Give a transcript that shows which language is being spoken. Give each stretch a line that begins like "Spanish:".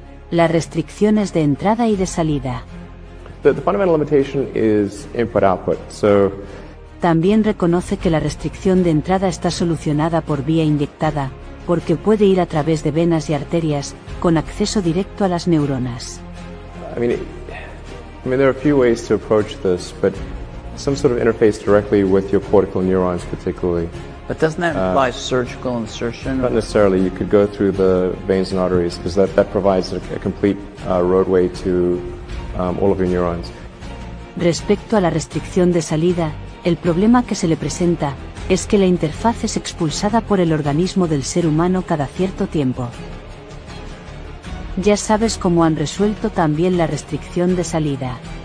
Spanish: Las restricciones de entrada y de salida.
English: The fundamental limitation is input-output, so...
Spanish: También reconoce que la restricción de entrada está solucionada por vía inyectada, porque puede ir a través de venas y arterias, con acceso directo a las neuronas.
English: I mean, there are a few ways to approach this, but some sort of interface directly with your cortical neurons particularly. But doesn't that imply surgical insertion? Not necessarily. You could go through the veins and arteries because that provides a complete roadway to all of your neurons.
Spanish: Respecto a la restricción de salida, el problema que se le presenta es que la interfaz es expulsada por el organismo del ser humano cada cierto tiempo. Ya sabes cómo han resuelto también la restricción de salida.